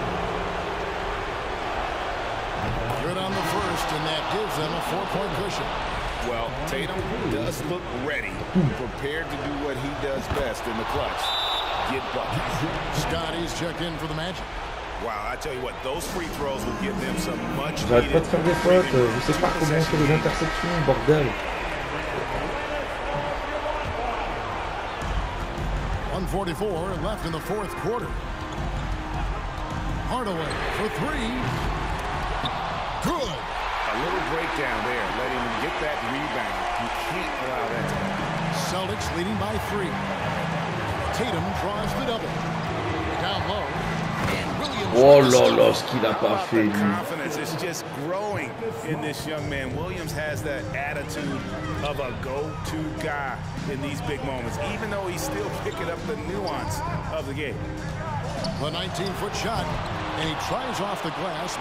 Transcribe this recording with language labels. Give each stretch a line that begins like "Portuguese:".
English: Good on the first, and that gives them a four-point cushion. Well, Tatum does look ready, prepared to do what he does best in the clutch. Get buckets. Scotty's check in for the Magic. Wow, I tell you what, those free throws will give them some much.
French: J'arrête pas de faire des fautes. Je sais pas combien c'est les interceptions, bordel.
English: .44 left in the fourth quarter. Hardaway for three. Good. A little breakdown there, letting him get that rebound. You can't allow that. Celtics leading by three. Tatum drives the double. Down low.
French: Oh là là, ce qu'il a pas fait lui.
English: Confidence is just growing in this young man. Williams has that attitude of a go-to guy in these big moments, even though he's still picking up the nuance of the game. The 19-foot shot, and he tries off the glass.